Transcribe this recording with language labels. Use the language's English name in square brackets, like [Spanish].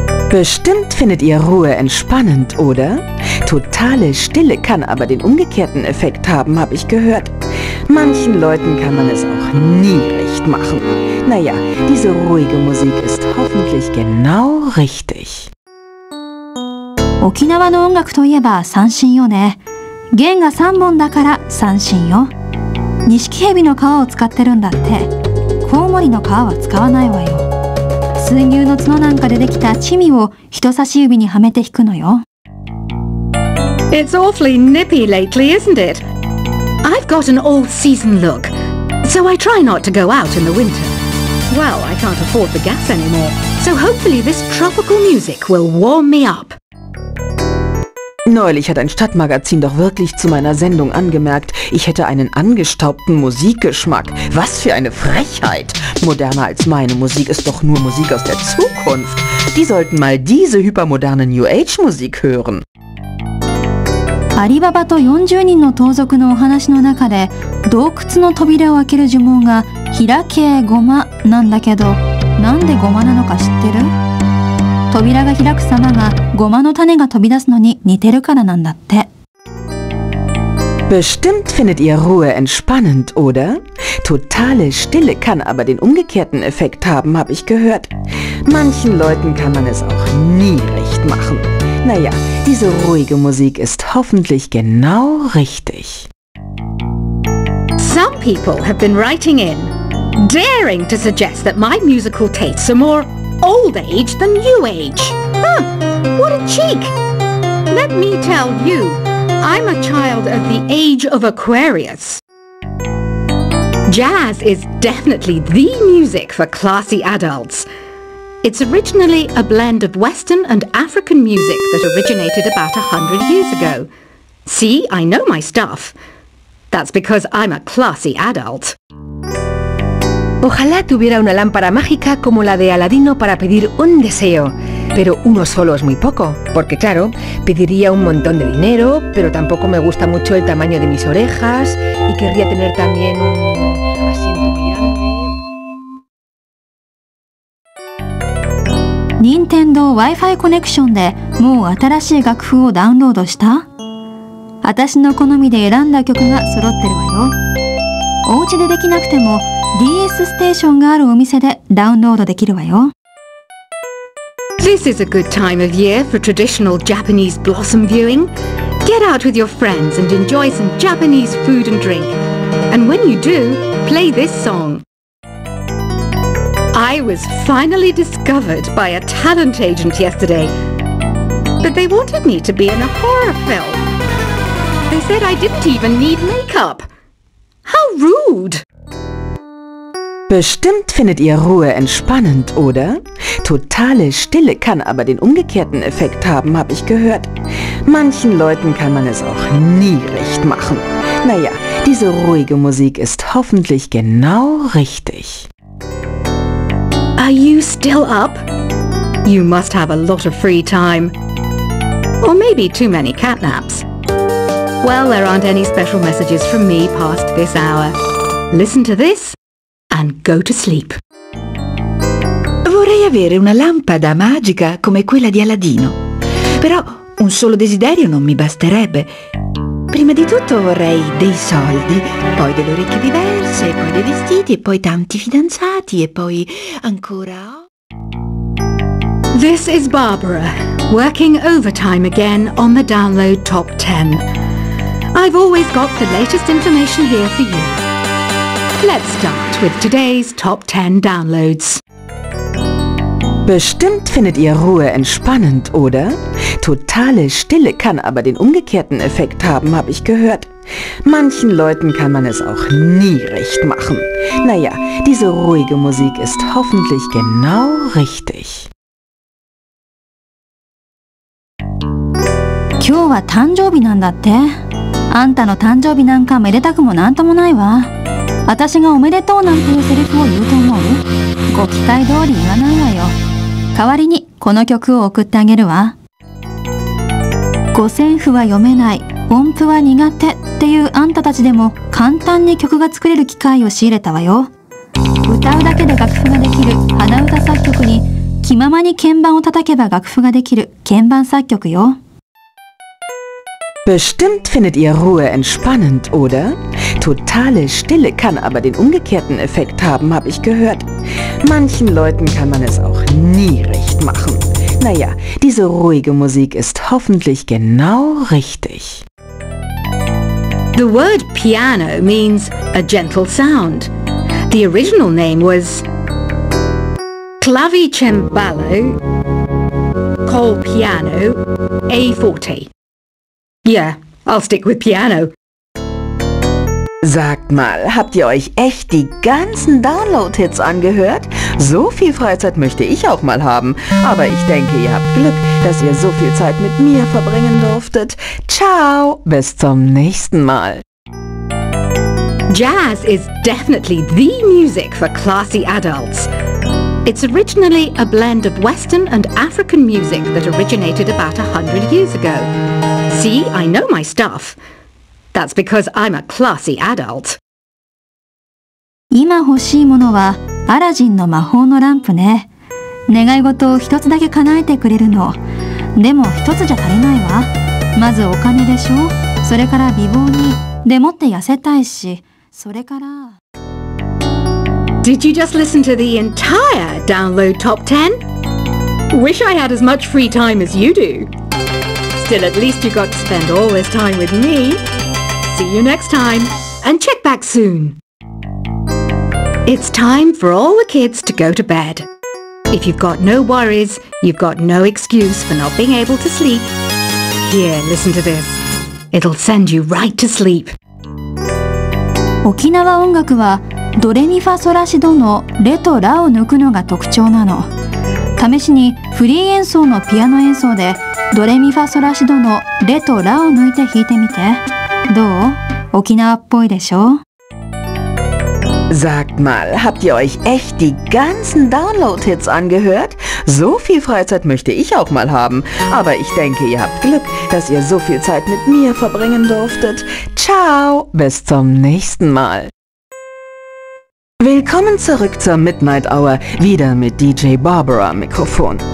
[German] Bestimmt findet ihr Ruhe entspannend, oder? Totale Stille kann aber den umgekehrten Effekt haben, habe ich gehört. Manchen Leuten kann man es auch nie recht machen. Naja, diese ruhige Musik ist hoffentlich genau richtig. [Japanese] 沖縄の音楽といえば三線よね。弦が3本だから三線よ。錦蛇の皮を使ってるんだって。コウモリの皮は使わないわよ。水牛の角なんかでできたチミを人差し指にはめて弾くのよ。 [English] It's awfully nippy lately, isn't it? I've got an all-season look, so I try not to go out in the winter. Well, I can't afford the gas anymore, so hopefully this tropical music will warm me up. [German] Neulich hat ein Stadtmagazin doch wirklich zu meiner Sendung angemerkt, ich hätte einen angestaubten Musikgeschmack. Was für eine Frechheit! Moderner als meine Musik ist doch nur Musik aus der Zukunft. Die sollten mal diese hypermoderne New Age Musik hören. [Japanese] アリババと40人の盗賊のお話の中で、洞窟の扉を開ける呪文が、開けごまなんだけど、なんでゴマなのか知ってる？扉が開く様がゴマの種が飛び出すのに似てるからなんだって。 [German] Bestimmt findet ihr Ruhe entspannend, oder? Totale Stille kann aber den umgekehrten Effekt haben, habe ich gehört. Manchen Leuten kann man es auch nie recht machen. Naja, diese ruhige Musik ist hoffentlich genau richtig. [English] Some people have been writing in, daring to suggest that my musical tastes are more old age than new age. Huh, what a cheek! Let me tell you, I'm a child of the age of Aquarius. Jazz is definitely the music for classy adults. It's originally a blend of Western and African music that originated about 100 years ago. See, I know my stuff. That's because I'm a classy adult. [Spanish] Ojalá tuviera una lámpara mágica como la de Aladino para pedir un deseo. Pero uno solo es muy poco, porque claro, pediría un montón de dinero, pero tampoco me gusta mucho el tamaño de mis orejas y querría tener también un asiento grande. [Japanese] ¿Nintendo Wi-Fi Connection de もう新しい楽譜をダウンロードした？私の好みで選んだ曲が揃ってるわよ。お家でできなくても DS ステーションがあるお店でダウンロードできるわよ。 [English] This is a good time of year for traditional Japanese blossom viewing. Get out with your friends and enjoy some Japanese food and drink. And when you do, play this song. I was finally discovered by a talent agent yesterday. But they wanted me to be in a horror film. They said I didn't even need makeup. How rude! [German] Bestimmt findet ihr Ruhe entspannend, oder? Totale Stille kann aber den umgekehrten Effekt haben, habe ich gehört. Manchen Leuten kann man es auch nie recht machen. Naja, diese ruhige Musik ist hoffentlich genau richtig. [English] Are you still up? You must have a lot of free time. Or maybe too many catnaps. Well, there aren't any special messages from me past this hour. Listen to this. And go to sleep. [Italian] Vorrei avere una lampada magica come quella di Aladino. Però un solo desiderio non mi basterebbe. Prima di tutto vorrei dei soldi, poi delle orecchie diverse, poi dei vestiti e poi tanti fidanzati e poi ancora... [English] This is Barbara, working overtime again on the download top 10. I've always got the latest information here for you. Let's start with today's top 10 downloads. [German] Bestimmt findet ihr Ruhe entspannend, oder? Totale Stille kann aber den umgekehrten Effekt haben, habe ich gehört. Manchen Leuten kann man es auch nie recht machen. Naja, diese ruhige Musik ist hoffentlich genau richtig. [Japanese] 今日は誕生日なんだって。あんたの誕生日なんかめでたくもなんともないわ。私がおめでとうなんていうセリフを言うと思う？ご期待通り言わないわよ。代わりにこの曲を送ってあげるわ。五線譜は読めない、音符は苦手っていうあんたたちでも簡単に曲が作れる機会を仕入れたわよ。歌うだけで楽譜ができる鼻歌作曲に気ままに鍵盤を叩けば楽譜ができる鍵盤作曲よ。 [German] Bestimmt findet ihr Ruhe entspannend, oder? Totale Stille kann aber den umgekehrten Effekt haben, habe ich gehört. Manchen Leuten kann man es auch nie recht machen. Naja, diese ruhige Musik ist hoffentlich genau richtig. [English] The word piano means a gentle sound. The original name was [Italian] clavicembalo, col piano, a forte. [English] Yeah, I'll stick with piano. [German] Sagt mal, habt ihr euch echt die ganzen Download-Hits angehört? So viel Freizeit möchte ich auch mal haben. Aber ich denke, ihr habt Glück, dass ihr so viel Zeit mit mir verbringen durftet. Ciao, bis zum nächsten Mal. [English] Jazz is definitely the music for classy adults. It's originally a blend of Western and African music that originated about 100 years ago. See, I know my stuff. That's because I'm a classy adult. [Japanese] 今欲しいものはアラジンの魔法のランプね。願い事を一つだけ叶えてくれるの。でも一つじゃ足りないわ。まずお金でしょ。それから美貌に。でもって痩せたいし。それから。 [English] Did you just listen to the entire download top 10? Wish I had as much free time as you do. Still, at least you got to spend all this time with me. See you next time, and check back soon. It's time for all the kids to go to bed. If you've got no worries, you've got no excuse for not being able to sleep. Here, listen to this. It'll send you right to sleep. [Japanese] 沖縄音楽はドレミファソラシドのレとラを抜くのが特徴なの。試しにフリー演奏のピアノ演奏でドレミファソラシドのレとラを抜いて弾いてみて。どう？沖縄っぽいでしょ？ [German] Sagt mal, habt ihr euch echt die ganzen Download-Hits angehört? So viel Freizeit möchte ich auch mal haben. Aber ich denke, ihr habt Glück, dass ihr so viel Zeit mit mir verbringen durftet. Ciao, bis zum nächsten Mal. Willkommen zurück zur Midnight Hour, wieder mit DJ Barbara Mikrofon.